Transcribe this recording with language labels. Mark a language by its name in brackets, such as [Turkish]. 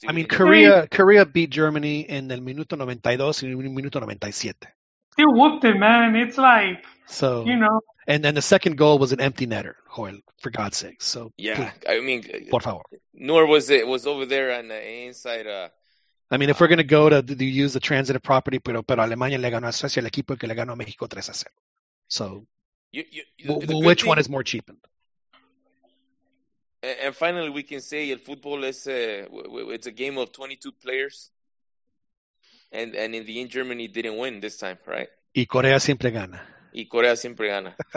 [English] I mean, Korea beat Germany in the minuto 92 and in minuto 97. They whooped it, man. It's like, so, you know. And then the second goal was an empty netter, Joel, for God's sake. So yeah, please. I mean, [Spanish] por favor. [English] Nor was it. It was over there on the inside. I mean, if we're going to go to use the transitive property, [Spanish] pero Alemania le ganó a Suecia, el equipo que le ganó a México 3-0. [English] So which one is more cheapened? And finally, we can say el fútbol it's a game of 22 players. And in the end, Germany didn't win this time, right? [Spanish] Y Corea siempre gana. Y Corea siempre gana.